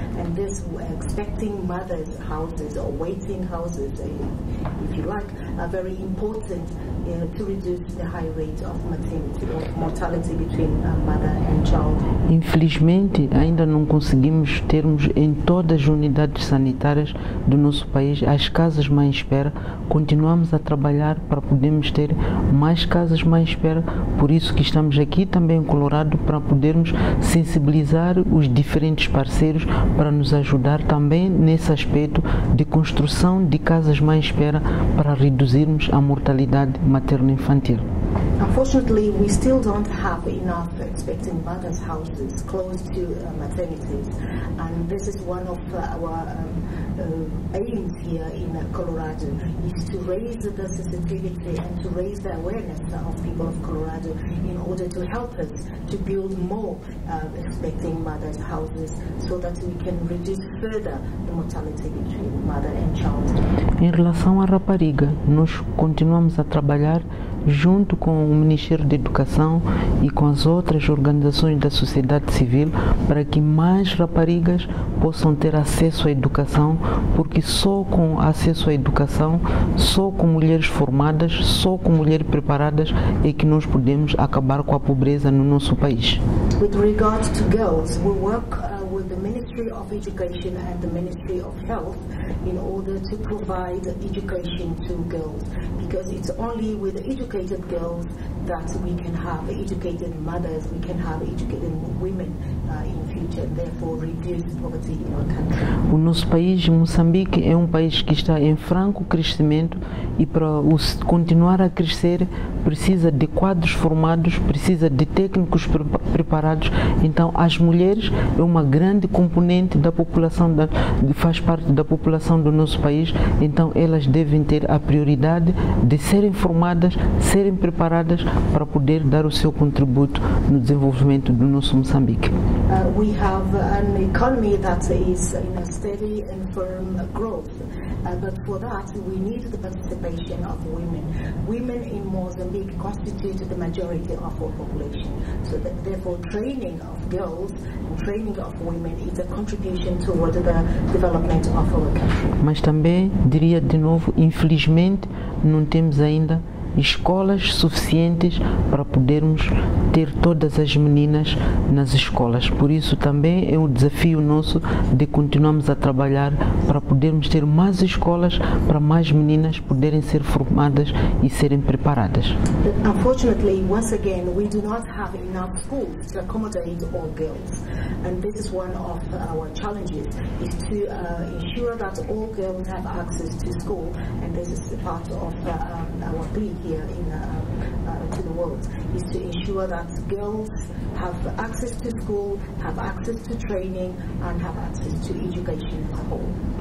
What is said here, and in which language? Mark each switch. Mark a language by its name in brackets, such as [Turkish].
[English] And this expecting mothers' houses or waiting houses, if you like, are very important to reduce the high rate of maternity or mortality between a mother and child. [Portuguese] Infelizmente, ainda não conseguimos termos em todas as unidades sanitárias do nosso país as casas mãe espera. Continuamos a trabalhar para podermos ter mais casas mãe espera, por isso que estamos aqui também em Colorado para podermos sensibilizar os diferentes parceiros para nos ajudar também nesse aspecto de construção de casas mãe espera para reduzirmos a mortalidade materno-infantil. [English] Unfortunately, we still don't have enough expecting mothers' houses close to maternities, and this is one of our aims here in Colorado, is to raise the sensitivity and to raise the awareness of people of Colorado in order to help us to build more expecting mothers' houses so that we can reduce further the mortality between mother and child. [Portuguese] Em relação à rapariga, nós continuamos a trabalhar junto com o Ministério da Educação e com as outras organizações da sociedade civil para que mais raparigas possam ter acesso à educação, porque só com acesso à educação, só com mulheres formadas, só com mulheres preparadas é que nós podemos acabar com a pobreza no nosso país. [English] With regard to girls, we work with the Ministry of Education and the Ministry of Health in order to provide education to girls, because it's only with educated girls that we can have educated mothers, we can have educated women in future, therefore reduce poverty in our country. [Portuguese] O nosso país, Moçambique, é um país que está em franco crescimento e para continuar a crescer precisa de quadros formados, precisa de técnicos preparados. Então, as mulheres é uma grande componente da população, faz parte da população do nosso país. Então, elas devem ter a prioridade de serem formadas, serem preparadas para poder dar o seu contributo no desenvolvimento do nosso Moçambique. [English] We have an economy that is in a steady and firm growth, but for that we need the participation of women. Women in Mozambique constitute the majority of our population, so that, therefore training of girls and training of women is a contribution toward the development of our country. [Portuguese] Mas também diria de novo, infelizmente não temos ainda escolas suficientes para podermos ter todas as meninas nas escolas. Por isso também é um desafio nosso de continuarmos a trabalhar para podermos ter mais escolas, para mais meninas poderem ser formadas e serem preparadas. [English] Unfortunately, once again, we do not have enough schools to accommodate all girls. And this is one of our challenges, is to ensure that all girls have access to school. And this is part of our plea here in to the world, is to ensure that girls have access to school, have access to training, and have access to education as a whole.